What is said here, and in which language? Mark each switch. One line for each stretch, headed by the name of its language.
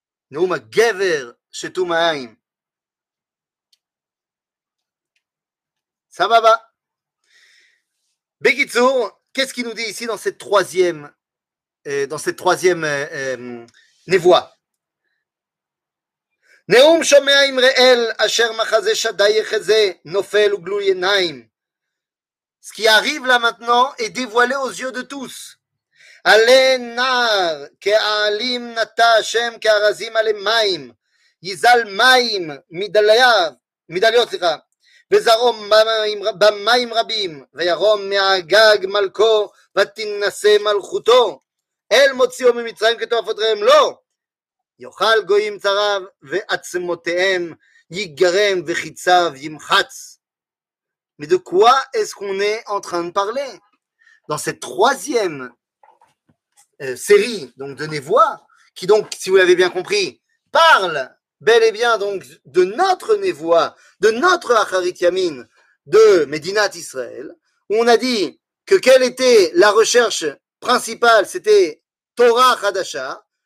Hebrew: Neum Agever, Shetum Aïn.
French: Ça va, va. Bekitsour, qu'est-ce qu'il nous dit ici dans cette troisième névoie?
Hebrew: נאום שומע ימראל אשר מחזה שדאי יחזה נופל וגלוי עיניים.
French: Ce qui arrive là maintenant est dévoilé aux yeux de tous.
Hebrew: עלה נער כעלים נטע השם כארזים עלי מים יזל מים מדליות וזרום במים רבים וירום מהגג מלכו ותנשא מלכותו אל מוציאו ממצרים כתועפות רעם לא. יאכל גויים צריו ועצמותיהם יגרם וחיציו ימחץ.
French: Mais de quoi est-ce qu'on est en train de parler? Dans cette troisième série donc de névoie, qui donc, si vous l'avez bien compris, parle bel et bien donc de notre névoie, de notre Acharit Yamin, de Médinat Israël, où on a dit que quelle était la recherche principale, c'était Torah Hadasha,